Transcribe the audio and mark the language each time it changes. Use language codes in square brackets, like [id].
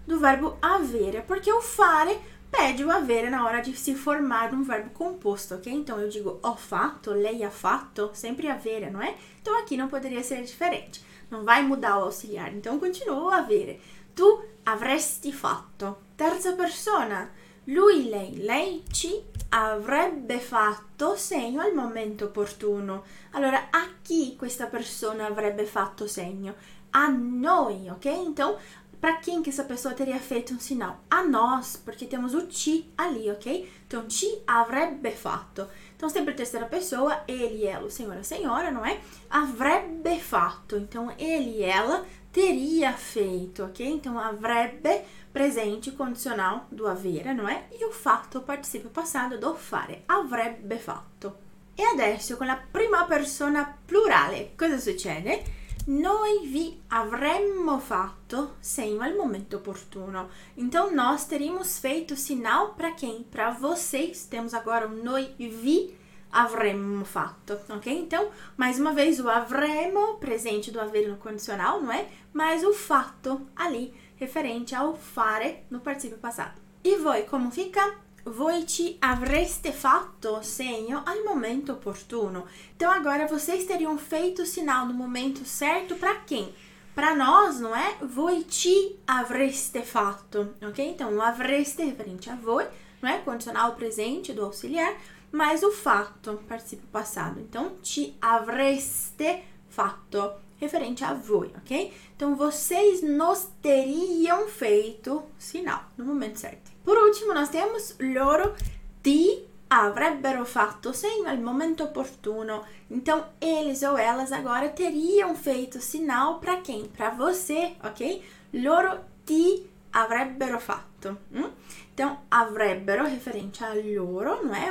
[pt] Do verbo avere, porque o fare pede o avere na hora de se formar um verbo composto, ok? Então, eu digo [it] ho fatto, lei ha fatto, [pt] sempre avere, não é? Então, aqui não poderia ser diferente, não vai mudar o auxiliar, então, continua o avere. [it] Tu avresti fatto. Terza persona, lui, lei ci avrebbe fatto segno al momento opportuno. Allora, a chi questa persona avrebbe fatto segno? A noi, ok? [pt] Então, para quem que essa pessoa teria feito um sinal? A nós, porque temos o ci ali, ok? Então, ci avrebbe fatto. Então, sempre terceira pessoa, ele, ela, senhora, senhora, não é? [it] Avrebbe fatto. [pt] Então, ele, ela teria feito, ok? Então, avrebbe, presente condicional do avere, não é? E o fatto, participio passado do fare, avrebbe fatto. [it] E adesso, con la prima persona plurale, cosa succede? Noi vi avremmo fatto segno al momento opportuno. [pt] Então, nós teríamos feito sinal para quem? Para vocês. Temos agora o [it] noi vi avremmo fatto, [pt] ok? Então, mais uma vez, o avremmo, presente do avere no condicional, não é? Mas o fatto ali, referente ao fare no participio passato. E voi, como fica? [it] Voi ci avreste fatto segno al momento opportuno. [pt] Então, agora, vocês teriam feito sinal no momento certo para quem? Para nós, não é? [it] Voi ci avreste fatto, [pt] ok? Então, o avreste referente a voi, não é? Condicional presente do auxiliar, mas o fatto, participio passado. Então, ci avreste fatto, referente a voi, ok? Então, vocês nos teriam feito sinal no momento certo. Por último, nós temos [it] loro ti avrebbero fatto segno al momento opportuno. [pt] Então, eles ou elas agora teriam feito sinal para quem? Para você, ok? [it] Loro ti avrebbero fatto. [pt] Então, avrebbero, referente a loro, não é?